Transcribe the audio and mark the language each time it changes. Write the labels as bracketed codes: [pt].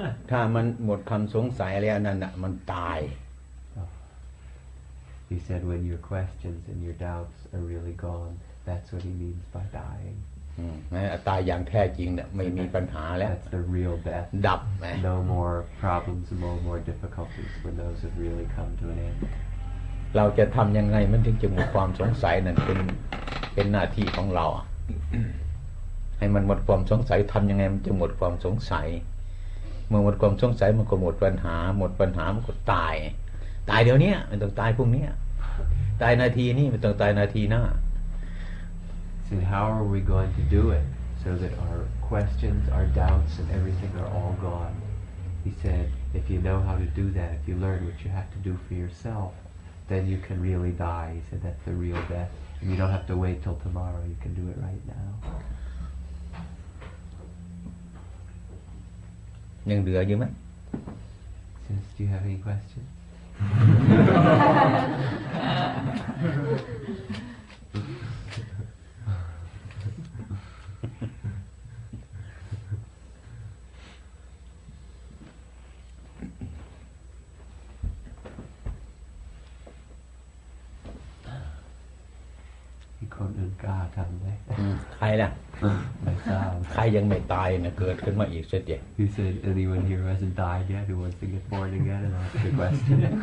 [th] ถ้ามันหมดคำสงสัยแล้วนั่นน่ะมันตาย [en] He said when your questions and your doubts are really gone that's what he means by dying [th] ตายอย่างแท้จริงน่ะไม่มีปัญหาแล้ว [en] That's the real death [th] ดับ [en] No more problems no more difficulties when those have really come to an end [th] เราจะทำยังไงมันถึงจะหมดความสงสัยนั่นเป็นหน้าที่ของเราให้มันหมดความสงสัยทำยังไงมันจะหมดความสงสัยเมื่อหมดความสงสัยมันก็หมดปัญหาหมดปัญหามันก็ตายเดี๋ยวนี้มันต้องตายพรุ่งนี้ตายนาทีนี้มันต้องตายนาทีหน้า [en] So how are we going to do it so that our questions our doubts and everything are all gone He said if you know how to do that if you learn what you have to do for yourself then you can really die He said that's the real death and you don't have to wait till tomorrow you can do it right now [th] ยังเหลืออยู่ไหม [en] Since do you have any questions? [th] อีกคนหนึ่งกล้าทำไหม ใครล่ะ ไม่ทราบ ใครยังไม่ตายนะเกิดขึ้นมาอีกเสร็จเจ๊ [en] He said anyone here who hasn't died yet who wants to get born again and ask a question